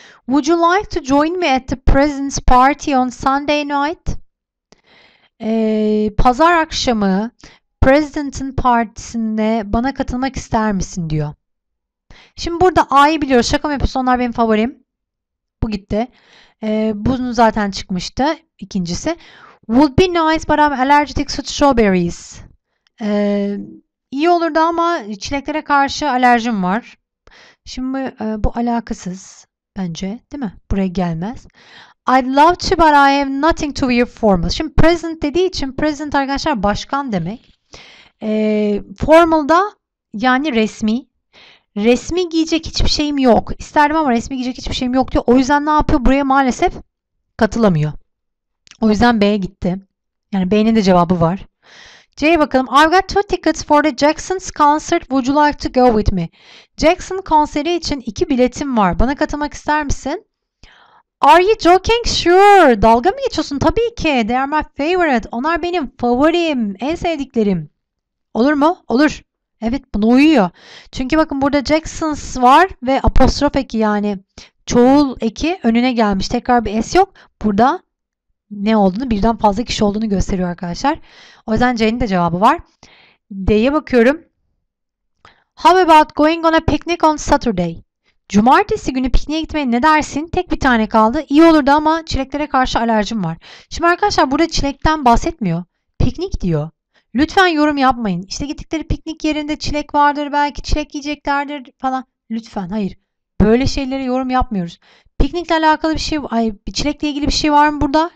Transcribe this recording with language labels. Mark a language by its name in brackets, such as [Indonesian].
[English] Would you like to join me at the President's party on Sunday night? [Turkish] Pazar akşamı President'in partisinde bana katılmak ister misin diyor. Şimdi burada A'yı biliyoruz. Şaka mı yapıyorsun? Onlar benim favorim. Bu gitti. Bunu zaten çıkmıştı. İkincisi. [English] Would be nice but I'm allergic to strawberries. [Turkish] İyi olurdu ama çileklere karşı alerjim var. Şimdi bu alakasız bence, değil mi? Buraya gelmez. [English] I'd love to but I have nothing to wear formal. [Turkish] Şimdi present dediği için present arkadaşlar başkan demek. Formal da yani resmi. Resmi giyecek hiçbir şeyim yok. İsterdim ama resmi giyecek hiçbir şeyim yok diyor. O yüzden ne yapıyor? Buraya maalesef katılamıyor. O yüzden B'ye gitti. Yani B'nin de cevabı var. C'ye bakalım. [English] I've got two tickets for the Jackson's concert. Would you like to go with me? [Turkish] Jackson konseri için iki biletim var. Bana katılmak ister misin? [English] Are you joking? Sure. [Turkish] Dalga mı geçiyorsun? Tabii ki. [English] They are my favorite. [Turkish] Onlar benim favorim. En sevdiklerim. Olur mu? Olur. Evet, buna uyuyor. Çünkü bakın burada Jackson's var ve apostrof eki yani Çoğul eki önüne gelmiş. Tekrar bir es yok. Burada ne olduğunu, birden fazla kişi olduğunu gösteriyor arkadaşlar. O yüzden C'nin de cevabı var. D'ye bakıyorum. [English] How about going on a picnic on Saturday? [Turkish] Cumartesi günü pikniğe gitmeye ne dersin? Tek bir tane kaldı. İyi olurdu ama çileklere karşı alerjim var. Şimdi arkadaşlar burada çilekten bahsetmiyor. Piknik diyor. Lütfen yorum yapmayın. İşte gittikleri piknik yerinde çilek vardır, belki çilek yiyeceklerdir falan. Lütfen hayır. Böyle şeylere yorum yapmıyoruz. Piknikle alakalı bir şey, ay, bir çilekle ilgili bir şey var mı burada?